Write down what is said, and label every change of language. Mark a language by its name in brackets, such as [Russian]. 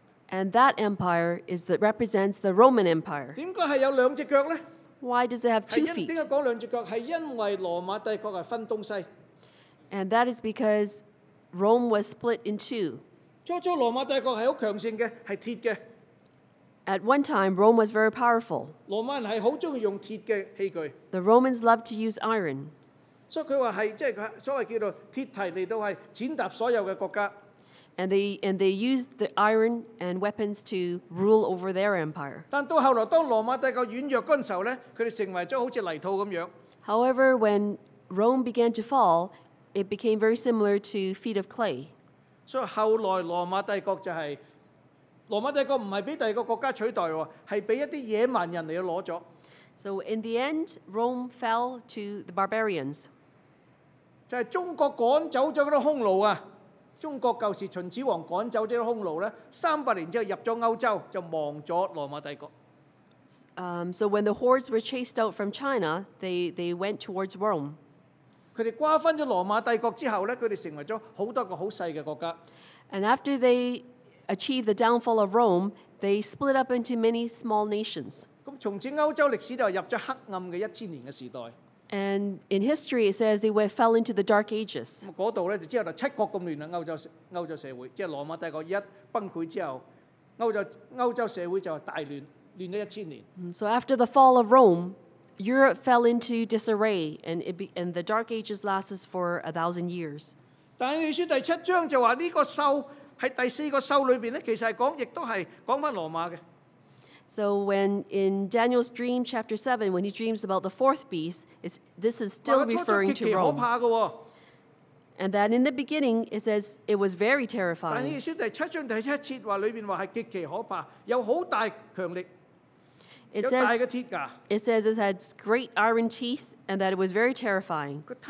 [English] And that empire is that represents the Roman Empire. [Cantonese] 點解係有兩隻腳咧 [English] ？Why does it have two feet？ [Cantonese] 點解講兩隻腳？係因為羅馬帝國係分東西。 [English] And that is because. Rome was split in two. [Cantonese] 最初羅馬帝國係好強盛嘅，係鐵嘅。 [English] At one time, Rome was very powerful. [Cantonese] 羅馬人係好中意用鐵嘅器具。 [English] The Romans loved to use iron. [Cantonese] 所以佢話係即係所謂叫做鐵蹄嚟到係踐踏所有嘅國家。 [English] And they used the iron and weapons to rule over their empire. [Cantonese] 但到後來當羅馬帝國軟弱嗰陣時候咧，佢哋成為咗好似泥土咁樣。 [English] However, when Rome began to fall. It became very similar to feet of clay. [Cantonese] So, 後來羅馬帝國就係羅馬帝國唔係俾第二個國家取代喎，係俾一啲野蠻人嚟攞咗。 [English] So, in the end, Rome fell to the barbarians. [Cantonese] 就係中國趕走咗嗰啲匈奴啊！中國舊時秦始皇趕走咗啲匈奴咧，300年之後入咗歐洲，就亡咗羅馬帝國。 [English] So when the hordes were chased out from China, they went towards Rome. [Cantonese] 佢哋瓜分咗羅馬帝國之後咧，佢哋成為咗好多個好細嘅國家。 [English] And after they achieved the downfall of Rome, they split up into many small nations. [Cantonese] 咁從此歐洲歷史就入咗黑暗嘅1000年嘅時代。 [English] And in history, it says they fell into the Dark Ages. [Cantonese] 嗰度咧就之後就七國咁亂啦，歐洲社會，即係羅馬帝國一崩潰之後，歐洲社會就大亂，亂咗1000年。 [English] So after the fall of Rome. Europe fell into disarray, and the Dark Ages lasted for 1,000 years. [Cantonese] 但以利書第七章就話呢個獸喺第四個獸裏邊咧，其實係講亦都係講翻羅馬嘅。 [English] So when in Daniel's dream, chapter 7, when he dreams about the fourth beast, this is still referring to Rome. [Cantonese] 初初極其可怕嘅喎。 [English] And that in the beginning, it says it was very terrifying. [Cantonese] 但以利書第七章第七節話裏邊話係極其可怕，有好大強力。 [English] It says it had great iron teeth and that it was very terrifying.